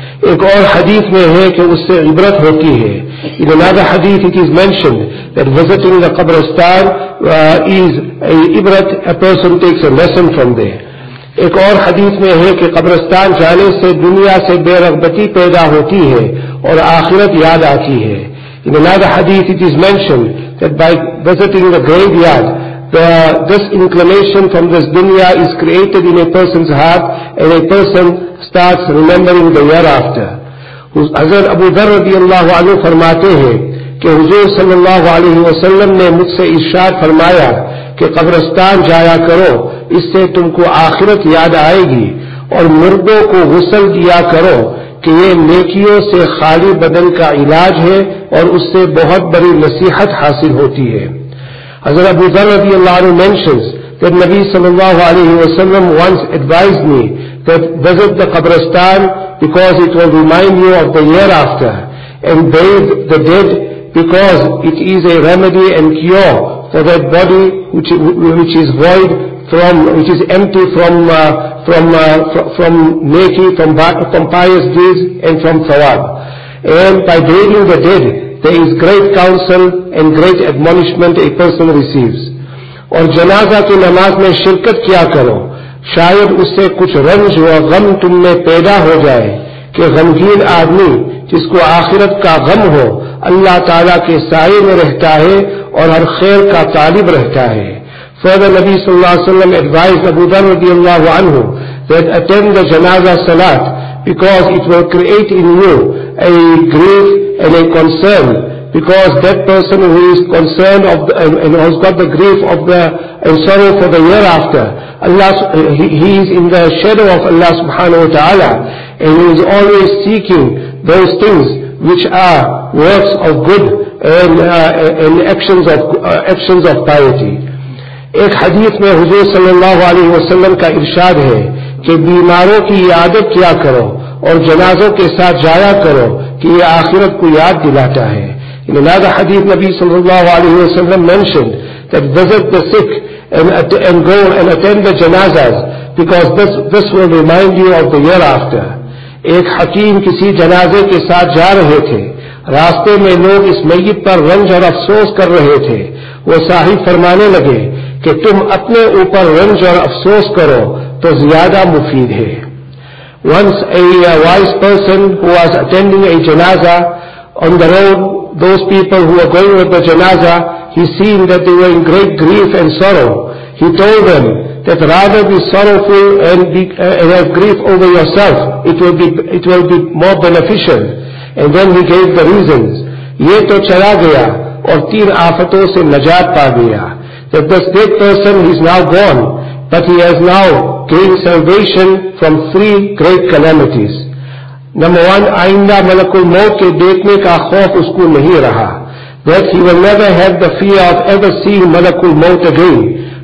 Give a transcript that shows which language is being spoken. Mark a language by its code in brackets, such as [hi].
[ur] Ek aur hadith mein hai ke usse ibrat hoti hai. [en] In another hadith it is mentioned that visiting the Qabristan is a ibrat, a person takes a lesson from there. [ur] ایک اور حدیث میں ہے کہ قبرستان جانے سے دنیا سے بے رغبتی پیدا ہوتی ہے اور آخرت یاد آتی ہے. [en] In another حدیث it is mentioned that by visiting the graveyard, the disinclination from this dunya is created in a person's heart and a person starts remembering the hereafter. [ur] حضرت ابو ذر رضی اللہ عنہ فرماتے ہیں کہ حضور صلی اللہ علیہ وسلم نے مجھ سے ارشاد فرمایا کہ قبرستان جایا کرو, اس سے تم کو آخرت یاد آئے گی, اور مردوں کو غسل دیا کرو کہ یہ نیکیوں سے خالی بدن کا علاج ہے اور اس سے بہت بڑی نصیحت حاصل ہوتی ہے. [en] حضرت ابو ذر رضی اللہ عنہ mentions that نبی صلی اللہ علیہ وسلم once advised me that visit the قبرستان because it will remind you of the year after, and bathe the dead because it is a remedy and cure for that body which is void from, which is empty from neki, from pious deeds and from thawab. And by bathing the dead, there is great counsel and great admonishment a person receives. [ur] اور جنازہ کی نماز میں شرکت کیا کرو, شاید اس سے کچھ رنج و غم تم میں پیدا ہو جائے, کہ غمگین آدمی جس کو آخرت کا غم ہو اللہ تعالیٰ کے سائے میں رہتا ہے اور ہر خیر کا طالب رہتا ہے. [en] Further, Nabi sallallahu alayhi wa sallam advised Abu Dhar radiallahu anhu that attend the janazah salat because it will create in you a grief and a concern, because that person who is concerned of the, and has got the grief of the and sorrow for the year after, Allah, he is in the shadow of Allah subhanahu wa ta'ala, and he is always seeking those things which are works of good and actions of piety. [ur] ایک حدیث میں حضور صلی اللہ علیہ وسلم کا ارشاد ہے کہ بیماروں کی عیادت کیا کرو اور جنازوں کے ساتھ جایا کرو کہ یہ آخرت کو یاد دلاتا ہے. [en] In another حدیث نبی صلی اللہ علیہ وسلم mentioned that visit the sick and go and attend the janazas because this will remind you of the year after. [ur] ایک حکیم کسی جنازے کے ساتھ جا رہے تھے, راستے میں لوگ اس میت پر رنج اور افسوس کر رہے تھے. وہ صاحب فرمانے لگے کہ تم اپنے اوپر رنج اور افسوس کرو تو زیادہ مفید ہے. [en] Once a wise person who was attending a janaza, on the road those people who were going with the janaza, he seen that they were in great grief and sorrow. He told them that rather be sorrowful and have grief over yourself, it will be more beneficial. And then he gave the reasons. [ur] یہ تو چلا گیا اور تین آفتوں سے نجات پا گیا. [en] That this dead person is now gone, but he has now gained salvation from three great calamities. Number one, [ur] آئندہ ملک الموت کے دیکھنے کا خوف اس کو نہیں رہا. [en] That he will never have the fear of ever seeing ملک الموت again.